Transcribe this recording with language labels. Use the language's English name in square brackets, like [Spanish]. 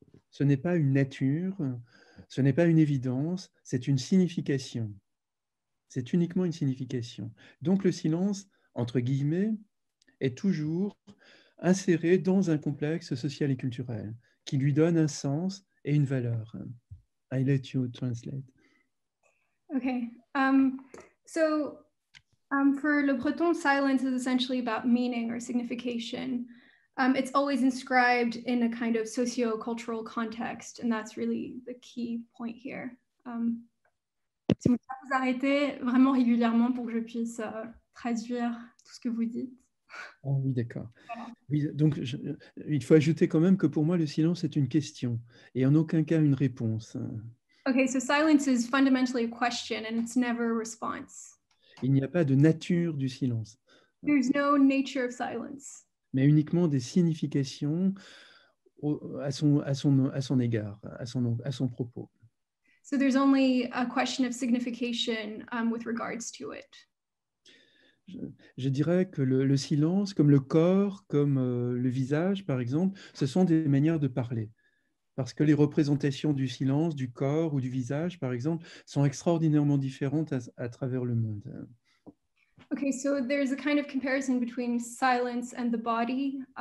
[French] Ce n'est pas une nature, ce n'est pas une évidence, c'est une signification. C'est uniquement une signification. Donc, le silence, entre guillemets, est toujours inséré dans un complexe social et culturel qui lui donne un sens et une valeur. [English] I let you translate. Okay. For Le Breton, silence is essentially about meaning or signification. It's always inscribed in a kind of socio-cultural context, and that's really the key point here. [French] Si vous pouvez vous arrêter vraiment régulièrement pour que je puisse traduire tout ce que vous dites. Oh, oui, d'accord. Oui, donc, il faut ajouter quand même que pour moi, le silence est une question et en aucun cas une réponse. [English] Okay, so silence is fundamentally a question and it's never a response. [French] Il n'y a pas de nature du silence. [English] There's no nature of silence. [French] Mais uniquement des significations à son égard, à son propos. [English] So there's only a question of signification with regards to it. [French] Je dirais que le silence, comme le corps, comme le visage, par exemple, ce sont des manières de parler. Parce que les représentations du silence, du corps ou du visage, par exemple, sont extraordinairement différentes à travers le monde. [English] Okay, so there's a kind of comparison between silence and the body.